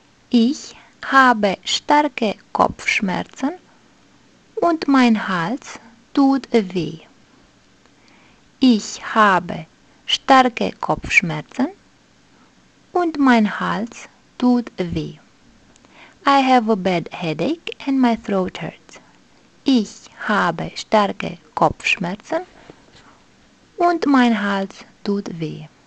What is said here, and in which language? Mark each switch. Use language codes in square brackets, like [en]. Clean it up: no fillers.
[de] Ich habe starke Kopfschmerzen und mein Hals tut weh. Ich habe starke Kopfschmerzen und mein Hals tut weh. [en] I have a bad headache and my throat hurts. [de] Ich habe starke Kopfschmerzen und mein Hals tut weh.